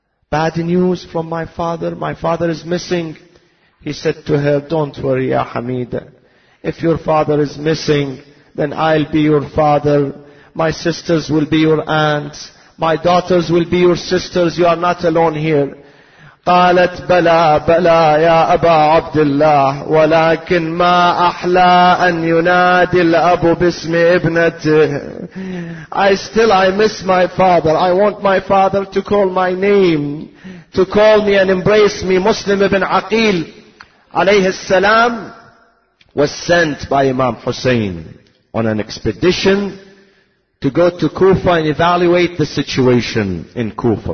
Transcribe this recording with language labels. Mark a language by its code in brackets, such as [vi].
[en] Bad news from my father. My father is missing. He said to her, don't worry, Ya Hamida. If your father is missing, then I'll be your father. My sisters will be your aunts. My daughters will be your sisters. You are not alone here. [ar] قالت بلا بلا يا أبا عبد الله ولكن ما أحلى أن ينادي الأب باسم ابنته. [en] I miss my father. I want my father to call my name, to call me and embrace me. Muslim ibn Aqil [ar] عليه السلام [en] was sent by Imam Hussein on an expedition to go to Kufa and evaluate the situation in Kufa.